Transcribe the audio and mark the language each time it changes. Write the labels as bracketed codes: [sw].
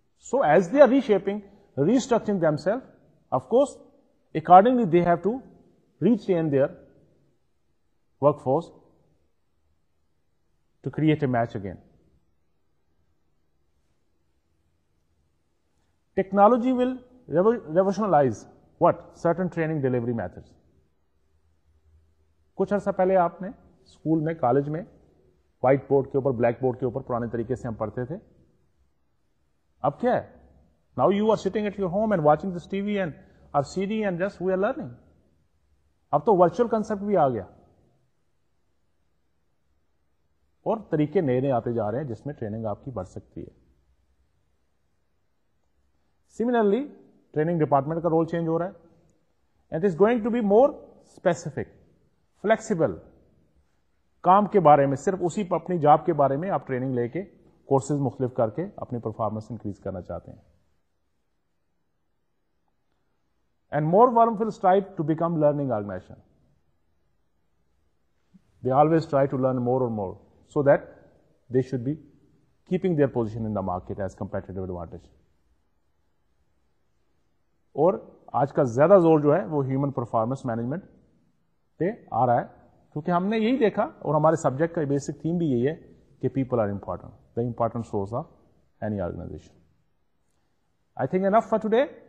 [en] So, as they are reshaping, restructuring themselves, of course, accordingly they have to retrain their workforce to create a match again. Technology will revolutionize what certain training delivery methods. [ur] کچھ عرصہ پہلے آپ نے school میں college میں white board کے اوپر black board کے اوپر پرانے طریقے سے ہم پڑھتے تھے, اب کیا ہے, [en] Now you are sitting at your home and watching this TV and R C D and just we are learning. [ur] اب تو ورچوئل کنسپٹ بھی آ گیا اور طریقے نئے نئے آتے جا رہے ہیں جس میں ٹریننگ آپ کی بڑھ سکتی ہے. سملرلی ٹریننگ ڈپارٹمنٹ کا رول چینج ہو رہا ہے, [en] It is going to be more specific flexible. [ur] کام کے بارے میں صرف اسی اپنی جاب کے بارے میں آپ ٹریننگ لے کے کورسز مختلف کر کے اپنی پرفارمنس انکریز کرنا چاہتے ہیں. [en] And more warm full strive to become learning organisation, they always try to learn more اور more so that they should be keeping their position in the market as competitive advantage. [ur] اور آج کا زیادہ زور جو ہے وہ ہیومن پرفارمنس مینجمنٹ پہ آ رہا ہے, کیونکہ ہم نے یہی دیکھا اور ہمارے سبجیکٹ کا بیسک تھیم بھی یہی ہے کہ [en] People are important, the important source of any organisation. I think enough for today.